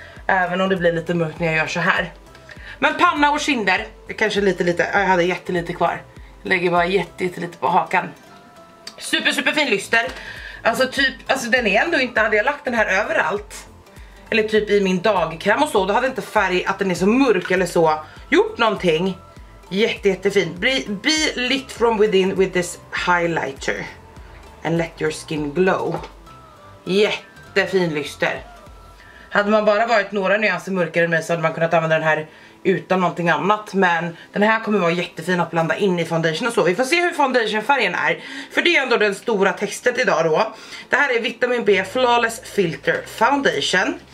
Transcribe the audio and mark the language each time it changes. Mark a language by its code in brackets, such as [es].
[sv] Även om det blir lite mörkt när jag gör så här. Men panna och kinder. Kanske lite lite. Jag hade jättelite kvar. Jag lägger bara jättelite på hakan. Super super fin lyster. Alltså typ. Alltså den är ändå inte. Hade jag lagt den här överallt. Eller typ i min dagkräm och så. Då hade inte färg att den är så mörk eller så. Gjort någonting. Jätte, jättefin. [en] Be lit from within with this highlighter. And let your skin glow. [sv] Jättefin lyster. Hade man bara varit några nyanser mörkare än mig så hade man kunnat använda den här utan någonting annat. Men den här kommer vara jättefin att blanda in i foundation och så. Vi får se hur foundationfärgen är. För det är ändå den stora testet idag då. Det här är Vitamin B Flawless Filter Foundation.